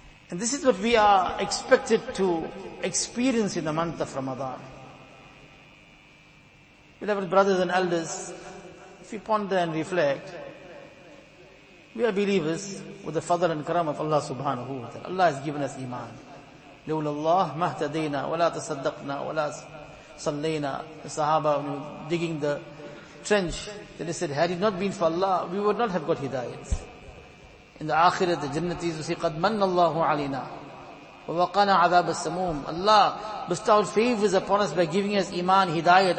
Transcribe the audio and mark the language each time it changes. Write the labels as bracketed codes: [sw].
[en] And this is what we are expected to experience in the month of Ramadan. Beloved brothers and elders, if you ponder and reflect, we are believers with the fadl and karam of Allah subhanahu wa ta'ala. Allah has given us iman. [ar] لولا الله ما اهتدينا ولا تصدقنا ولا صلينا. [en] The sahaba, when we were digging the trench, then they said, had it not been for Allah, we would not have got hidayat. In the akhirah, the jannatis will say, [ar] قَدْ مَنَّ اللَّهُ عَلِيْنَا وَوَقَنَا عَذَابَ السَّمُومِ. [en] Allah bestowed favors upon us by giving us iman, hidayat.